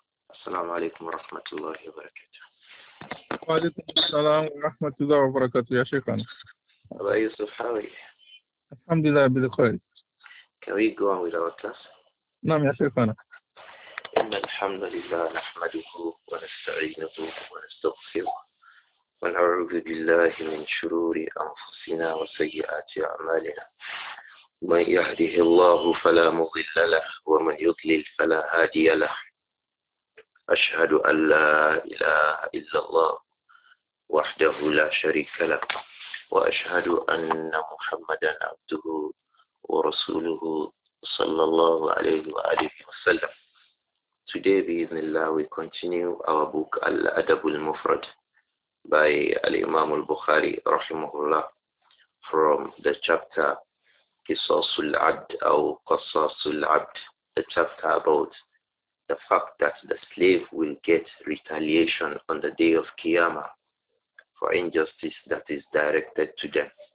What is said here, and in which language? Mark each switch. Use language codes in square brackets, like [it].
[ar] السلام عليكم ورحمة الله وبركاته. وعليكم السلام ورحمة الله وبركاته يا شيخنا. [en] أبو يوسف how are you؟ [ar] الحمد لله بخير. [en] Can we go on with our class؟ [ar] نعم يا شيخنا. إن الحمد لله نحمده ونستعينه ونستغفره ونعوذ بالله من شرور أنفسنا وسيئات أعمالنا. من يهده الله فلا مضل له ومن يضلل فلا هادي له. أشهد أن لا إله إلا الله وحده لا شريك له وأشهد أن محمدا عبده ورسوله صلى الله عليه وآله وسلم. [en] Today [ar] بإذن الله [en] we continue our book الأدب المفرد by الإمام البخاري رحمه الله from the chapter [ar] قصاص العبد أو قصاص العبد, [en] the chapter about the fact that the slave will get retaliation on the day of Qiyamah for injustice that is directed to them.